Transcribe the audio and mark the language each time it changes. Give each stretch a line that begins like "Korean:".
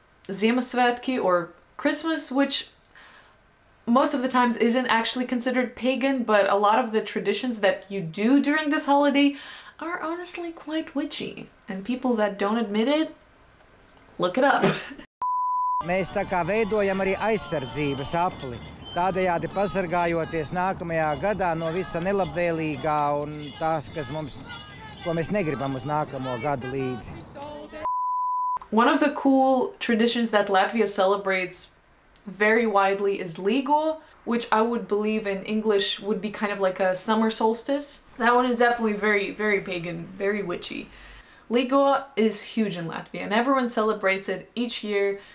English: Ziemassvētki or Christmas, which most of the times isn't actually considered pagan, but a lot of the traditions that you do during this holiday are honestly quite witchy. And people that don't admit it, look it up.
Latvian: Mēs tā kā veidojam arī aizsardzības apli, tādējādi pasargājoties nākamajā gadā no visa nelabvēlīgā un tās, kas mums, ko mēs negribam uz nākamo gadu līdzi.
English: One of the cool traditions that Latvia celebrates very widely is Ligo, which I would believe in English would be kind of like a summer solstice. That one is definitely very, very pagan, very witchy. Ligo is huge in Latvia and everyone celebrates it each year.